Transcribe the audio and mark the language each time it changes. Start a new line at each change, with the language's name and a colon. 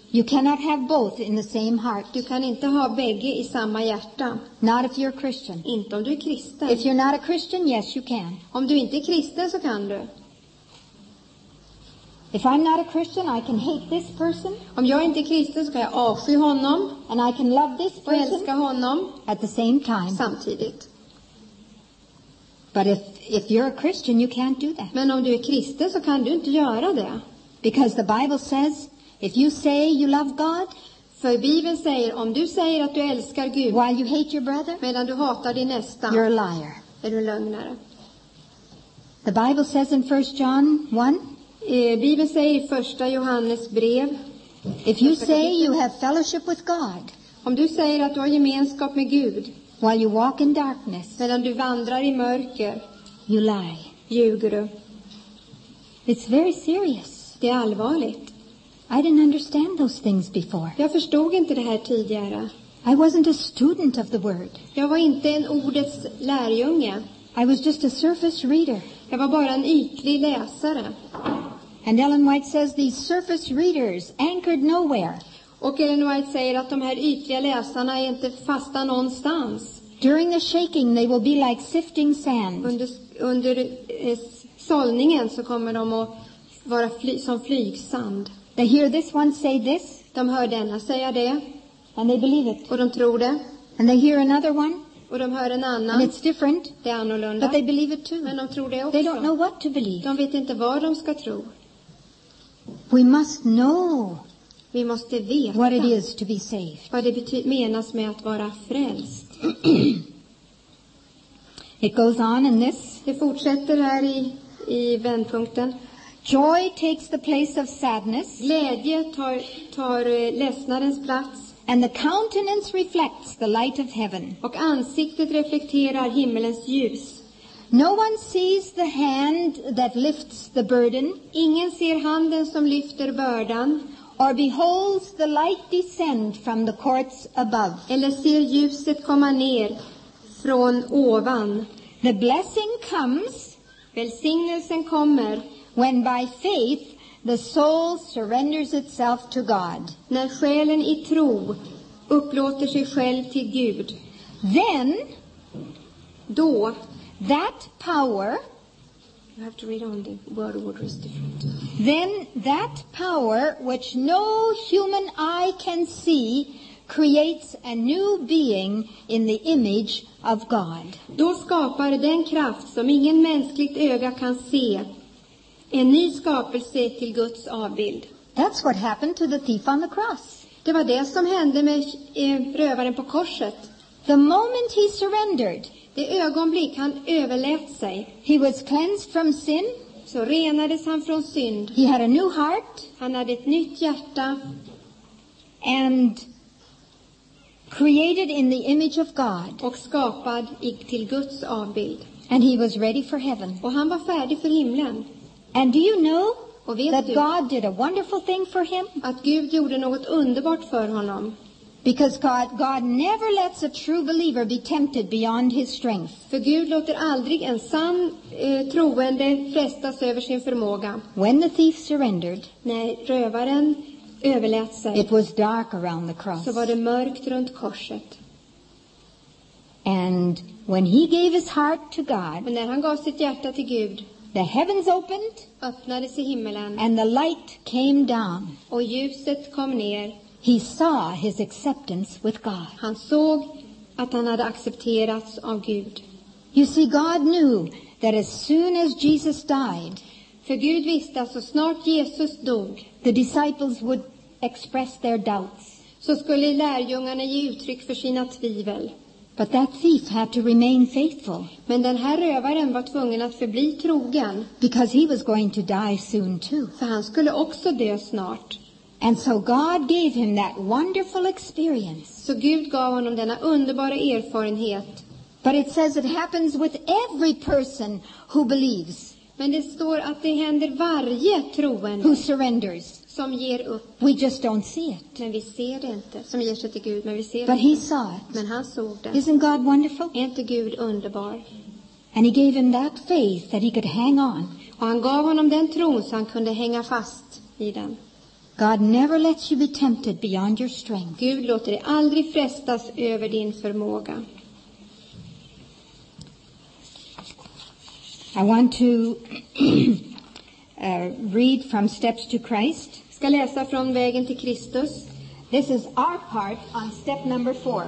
English: You cannot have both in the same heart.
Swedish: Du kan inte ha bägge i samma hjärta.
English: Not if you're a Christian.
Swedish: Inte om du är kristen.
English: If you're not a Christian, yes you can.
Swedish: Om du inte är kristen så kan du.
English: If I'm not a Christian, I can hate this person.
Swedish: Om jag inte är kristen så kan jag avsky honom.
English: And I can love this person.
Swedish: Och älska honom.
English: At the same time.
Swedish: Samtidigt.
English: But if you're a Christian, you can't do that.
Swedish: Men om du är kristen så kan du inte göra det.
English: Because the Bible says, if you say you love God,
Swedish: för Bibeln säger om du säger att du älskar Gud,
English: while you hate your brother,
Swedish: medan du hatar din nästa,
English: you're a liar.
Swedish: Är du lögnare?
English: The Bible says in 1 John 1.
Swedish: Bibeln säger i första Johannes brev.
English: If you say you have fellowship with God,
Swedish: om du säger att du har gemenskap med Gud,
English: while you walk in darkness,
Swedish: medan du vandrar i mörker,
English: you lie.
Swedish: Ljuger du?
English: It's very serious.
Swedish: Det är allvarligt.
English: I didn't understand those things before.
Swedish: Jag förstod inte det här tidigare.
English: I wasn't a student of the word.
Swedish: Jag var inte en ordets lärjunge.
English: I was just a surface reader.
Swedish: Jag var bara en ytlig läsare.
English: And Ellen White says these surface readers anchored nowhere.
Swedish: Och Ellen White säger att de här ytliga läsarna är inte fasta någonstans.
English: During the shaking they will be like sifting sand.
Swedish: Under solningen så kommer de att vara som flygsand.
English: They hear this one say this.
Swedish: De hör denna säga det.
English: And they believe it.
Swedish: Och de tror det.
English: And they hear another one.
Swedish: Och de hör en annan.
English: And it's different.
Swedish: Det är annorlunda.
English: But they believe it too.
Swedish: Men de tror det också.
English: They don't know what to believe.
Swedish: De vet inte vad de ska tro.
English: We must know.
Swedish: Vi måste veta.
English: What it is to be saved.
Swedish: Vad det menas med att vara frälst.
English: It goes on in this.
Swedish: Det fortsätter här i vändpunkten.
English: Joy takes the place of sadness.
Swedish: Glädje tar ledsnadens plats.
English: And the countenance reflects the light of heaven.
Swedish: Och ansiktet reflekterar himmelens ljus.
English: No one sees the hand that lifts the burden.
Swedish: Ingen ser handen som lyfter bördan.
English: Or beholds the light descend from the courts above.
Swedish: Eller ser ljuset komma ner från ovan.
English: The blessing comes.
Swedish: Välsignelsen kommer.
English: When by faith the soul surrenders itself to God.
Swedish: När själen i tro upplåter sig själv till Gud.
English: Then,
Swedish: då,
English: that power. You have to read on the word order is different. Then that power which no human eye can see creates a new being in the image of God.
Swedish: Då skapar den kraft som ingen mänskligt öga kan se. En ny skapelse till Guds avbild.
English: That's what happened to the thief on the cross.
Swedish: Det var det som hände med rövaren på korset.
English: The moment he surrendered.
Swedish: Det ögonblick han överlät sig.
English: He was cleansed from sin.
Swedish: Så renades han från synd.
English: He had a new heart.
Swedish: Han hade ett nytt hjärta.
English: And created in the image of God.
Swedish: Och skapad till Guds avbild.
English: And he was ready for heaven.
Swedish: Och han var färdig för himlen.
English: And do you know that God did a wonderful thing for him?
Swedish: Att Gud gjorde något underbart för honom.
English: Because God never lets a true believer be tempted beyond his strength.
Swedish: För Gud låter aldrig en sann troende frestas över sin förmåga.
English: When the thief surrendered,
Swedish: när rövaren överlät sig,
English: it was dark around the cross.
Swedish: Så var det mörkt runt korset.
English: And when he gave his heart to God,
Swedish: och när han gav sitt hjärta till Gud,
English: the heavens opened,
Swedish: öppnades i himmelen,
English: and the light came down.
Swedish: Och ljuset kom ner.
English: He saw his acceptance with God.
Swedish: Han såg att han hade accepterats av Gud.
English: You see, God knew that as soon as Jesus died,
Swedish: för Gud visste att så snart Jesus dog,
English: the disciples would express their doubts.
Swedish: Så skulle lärjungarna ge uttryck för sina tvivel.
English: But that thief had to remain faithful.
Swedish: Men den här rövaren var tvungen att förbli trogen.
English: Because he was going to die soon too.
Swedish: För han skulle också dö snart.
English: And so God gave him that wonderful experience.
Swedish: Så Gud gav honom denna underbara erfarenhet.
English: But it says it happens with every person who believes.
Swedish: Men det står att det händer varje troende.
English: Who surrenders.
Swedish: Som ger upp.
English: We just don't see it.
Swedish: Men vi ser det inte. Som ger sig till Gud, men vi ser
English: But
Swedish: det
English: he
Swedish: inte.
English: Saw it.
Swedish: Men han såg det.
English: Isn't God wonderful?
Swedish: Är inte Gud underbar?
English: And he gave him that faith that he could hang on.
Swedish: Och han gav honom den tron så han kunde hänga fast i den.
English: God never lets you be tempted beyond your strength.
Swedish: Gud låter dig aldrig frestas över din förmåga.
English: I want to read from Steps to Christ.
Swedish: Ska läsa från Vägen till Kristus.
English: This is our part on step number 4.